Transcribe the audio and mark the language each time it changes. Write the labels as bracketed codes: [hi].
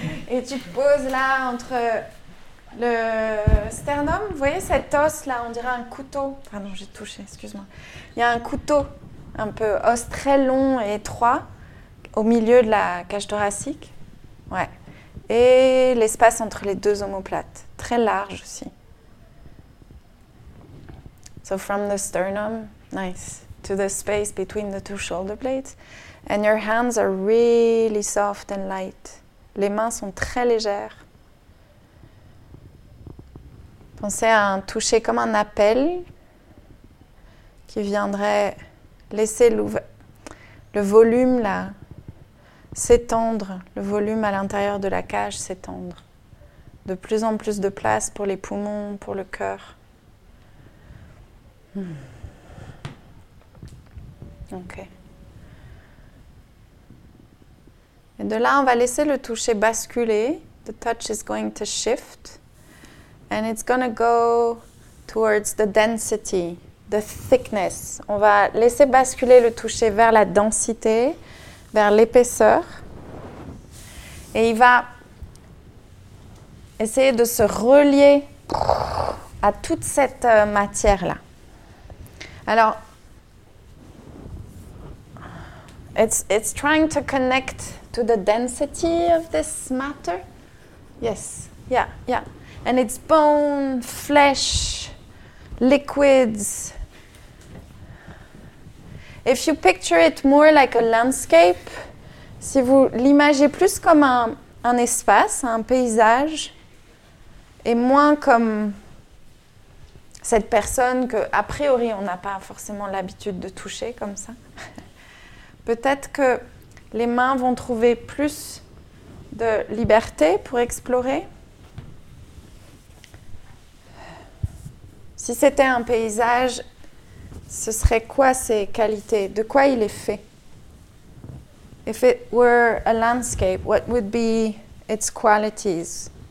[fr] Et tu te poses là entre le sternum. Vous voyez cet os là, on dirait un couteau. Pardon, j'ai touché, excuse-moi. Il y a un couteau, un peu os très long et étroit, au milieu de la cage thoracique. Ouais. Et l'espace entre les deux omoplates, très large aussi. [en] So from the sternum, nice, to the space between the two shoulder blades. And your hands are really soft and light. [fr] Les mains sont très légères. Pensez à un toucher comme un appel qui viendrait laisser le volume là s'étendre, le volume à l'intérieur de la cage s'étendre. De plus en plus de place pour les poumons, pour le cœur. Ok. Et de là, on va laisser le toucher basculer. [en] The touch is going to shift. And it's going to go towards the density, the thickness. [fr] On va laisser basculer le toucher vers la densité, vers l'épaisseur. Et il va essayer de se relier à toute cette matière-là. [en] Alors, it's trying to connect to the density of this matter. Yes, yeah, yeah. And it's bone, flesh, liquids. If you picture it more like a landscape, [fr] Si vous l'imagez plus comme un espace, un paysage, et moins comme cette personne que, a priori, on n'a pas forcément l'habitude de toucher comme ça, peut-être que les mains vont trouver plus de liberté pour explorer. Si c'était un paysage, ce serait quoi ses qualités? De quoi il est fait? [en] If it were a landscape, what would be its qualities?